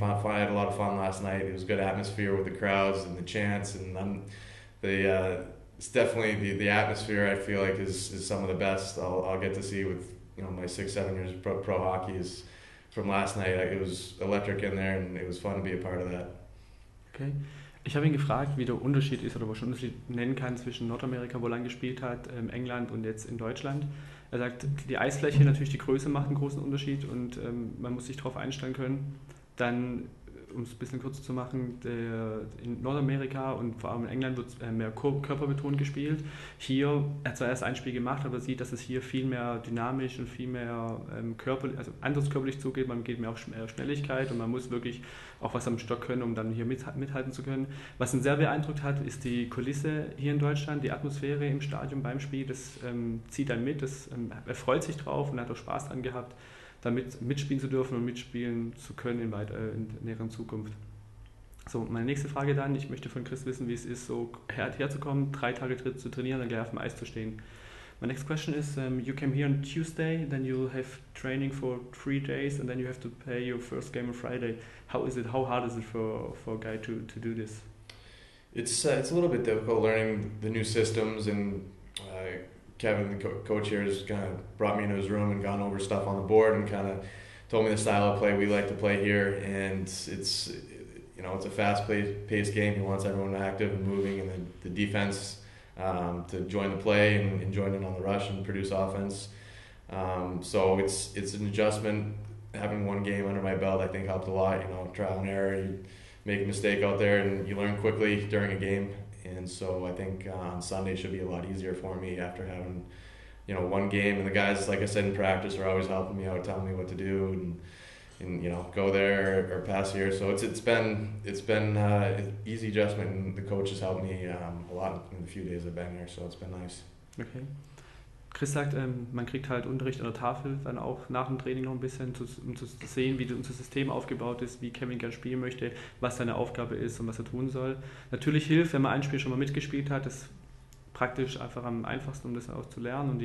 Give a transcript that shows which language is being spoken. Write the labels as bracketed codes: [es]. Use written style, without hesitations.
[en] I had a lot of fun last night. It was good atmosphere with the crowds and the chants, and it's definitely the atmosphere, I feel like, is some of the best I'll get to see with, you know, my 6-7 years pro hockey is from last night. It was electric in there and it was fun to be a part of that. Okay. [de] Ich habe ihn gefragt, wie der Unterschied ist oder was man Unterschied nennen kann zwischen Nordamerika, wo er lang gespielt hat, England und jetzt in Deutschland. Er sagt, die Eisfläche, natürlich die Größe macht einen großen Unterschied und man muss sich darauf einstellen können. Dann, um es ein bisschen kurz zu machen, in Nordamerika und vor allem in England wird mehr körperbetont gespielt. Hier, er hat zwar erst ein Spiel gemacht, aber sieht, dass es hier viel mehr dynamisch und viel mehr anders körperlich zugeht. Man geht mehr auf Schnelligkeit und man muss wirklich auch was am Stock können, um dann hier mithalten zu können. Was ihn sehr beeindruckt hat, ist die Kulisse hier in Deutschland, die Atmosphäre im Stadion beim Spiel. Das zieht einen mit, er freut sich drauf und hat auch Spaß dran gehabt, damit mitspielen zu dürfen und mitspielen zu können in näheren Zukunft. So, meine nächste Frage dann. Ich möchte von Chris wissen, wie es ist, so herzukommen, 3 Tage zu trainieren, dann gleich auf dem Eis zu stehen. [en] My next question is, you came here on Tuesday, then you'll have training for 3 days and then you have to play your first game on Friday. How is it, how hard is it for a guy to do this? It's a little bit difficult learning the new systems and Kevin, the coach here, has kind of brought me into his room and gone over stuff on the board and kind of told me the style of play we like to play here. And it's, you know, it's a fast-paced game. He wants everyone active and moving, and the defense to join the play and join in on the rush and produce offense. So it's an adjustment. Having one game under my belt, I think, helped a lot. You know, trial and error, you make a mistake out there, and you learn quickly during a game. And so I think on Sunday should be a lot easier for me after having, you know, one game. And the guys, like I said, in practice are always helping me out, telling me what to do and you know, go there or pass here. So it's been easy adjustment, and the coach has helped me a lot in the few days I've been here. So it's been nice. Okay. [de] Chris sagt, man kriegt halt Unterricht an der Tafel, dann auch nach dem Training noch ein bisschen, um zu sehen, wie unser System aufgebaut ist, wie Kevin gerne spielen möchte, was seine Aufgabe ist und was er tun soll. Natürlich hilft, wenn man ein Spiel schon mal mitgespielt hat, das ist praktisch einfach am einfachsten, um das auch zu lernen.